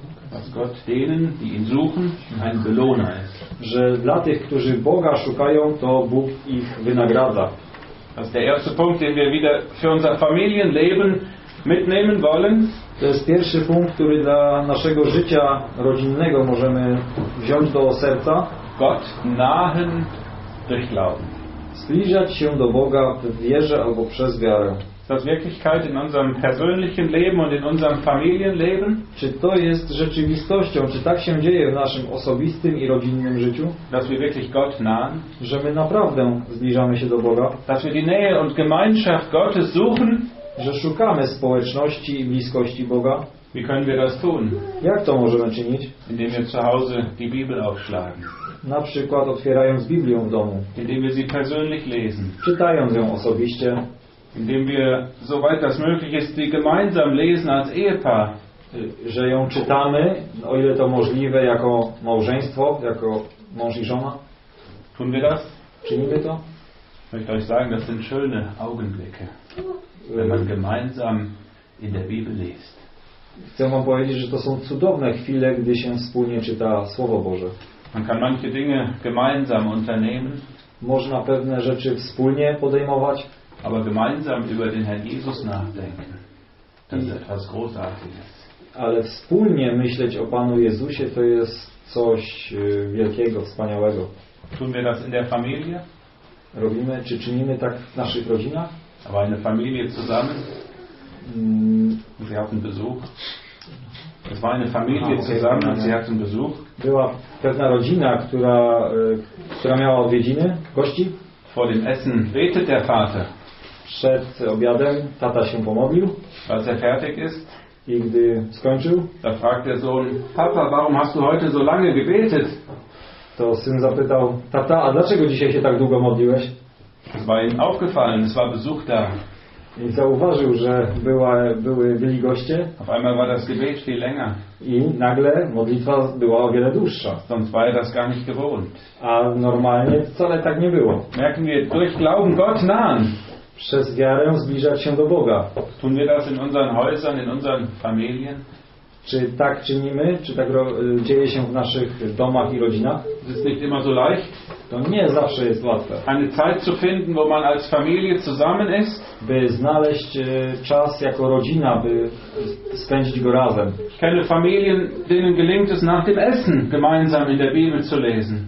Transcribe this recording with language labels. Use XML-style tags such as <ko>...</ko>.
<de>dass Gott denen, die ihn suchen, ein Belohner ist.</de> <pl>Że dla tych, którzy Boga szukają, to Bóg ich wynagradza.</pl> <de>Das ist der erste Punkt, den wir wieder für unser Familienleben mitnehmen wollen.</de> <pl>To jest pierwszy punkt, który dla naszego życia rodzinnego możemy wziąć do serca.</pl> <de>Gott nahen durch Glauben.</de> <pl>Zbliżać się do Boga w wierze albo przez wiarę.</pl> <de>Das Wirklichkeit in unserem persönlichen Leben und in unserem Familienleben.</de> <pl>Czy to jest rzeczywistością, czy tak się dzieje w naszym osobistym i rodzinnym życiu?</pl> <de>Dass wir wirklich Gott nahen.</de> <pl>Że my naprawdę zbliżamy się do Boga.</pl> <de>Dass wir die Nähe und Gemeinschaft Gottes suchen.</de> <pl>Że szukamy społeczności i bliskości Boga.</pl> <de>Wie können wir das tun?</de> <pl>Jak to możemy czynić?</pl> <de>Indem wir zu Hause die Bibel aufschlagen.</de> <pl>Na przykład otwierając Biblię w domu.</pl> <de>Indem wir sie persönlich lesen.</de> <pl>Czytając ją osobiście.</pl> <de>Indem wir, soweit das möglich ist, sie gemeinsam lesen als Ehepaar.</de> <pl>Że ją czytamy, o ile to możliwe, jako małżeństwo, jako mąż i żona.</pl> <de>Tun wir das?</de> <pl>Czynimy to?</pl> <de>Ich möchte euch sagen, das sind schöne Augenblicke. Wenn man gemeinsam in der Bibel liest.</de> <pl>Chcę wam powiedzieć, że to są cudowne chwile, gdy się wspólnie czyta Słowo Boże.</pl> <de>Man kann manche Dinge gemeinsam unternehmen.</de> <pl>Można pewne rzeczy wspólnie podejmować.</pl> <de>Aber gemeinsam über den Herrn Jesus nachdenken. Das ist etwas Großartiges.</de> <pl>Ale wspólnie myśleć o Panu Jezusie, to jest coś wielkiego, wspaniałego.</pl> <de>Tun wir das in der Familie?</de> <pl>Robimy, czy czynimy tak w naszych rodzinach?</pl> <de>Aber eine Familie zusammen. Sie hatten Besuch. Es war eine Familie zusammen und sie hatten Besuch.</de> <pl>Była pewna rodzina, która miała odwiedziny, gości.</pl> <de>Vor dem Essen betet der Vater.</de> <pl>Przed obiadem tata się pomodlił.</pl> <de>Als er fertig ist.</de> <pl>I gdy skończył.</pl> <de>Da fragt der Sohn, Papa, warum hast du heute so lange gebetet?</de> <pl>To syn zapytał, tata, a dlaczego dzisiaj się tak długo modliłeś?</pl> <de>Es war ihm aufgefallen, es war Besuch da.</de> <pl>I zauważył, że byli goście.</pl> <de>Auf einmal war das Gebet viel länger.</de> <pl>I nagle modlitwa była o wiele dłuższa.</pl> <de>Sonst war das gar nicht gewohnt.</de> <pl>A normalnie wcale tak nie było.</pl> <de>Merken wir, durch Glauben Gott nahen.</de> <pl>Przez wiarę zbliżać się do Boga.</pl> <de>Tun wir das in unseren Häusern, in unseren Familien?</de> <pl>Czy tak czynimy? Czy tak dzieje się w naszych domach i rodzinach?</pl> <de>Es ist nicht immer so leicht.</de> <pl>To nie zawsze jest łatwe.</pl> <de>Eine Zeit zu finden, wo man als Familie zusammen ist.</de> <pl>By znaleźć czas jako rodzina, by spędzić go razem.</pl> <de>Ich kenne Familien, denen gelingt es nach dem Essen gemeinsam in der Bibel zu lesen.</de>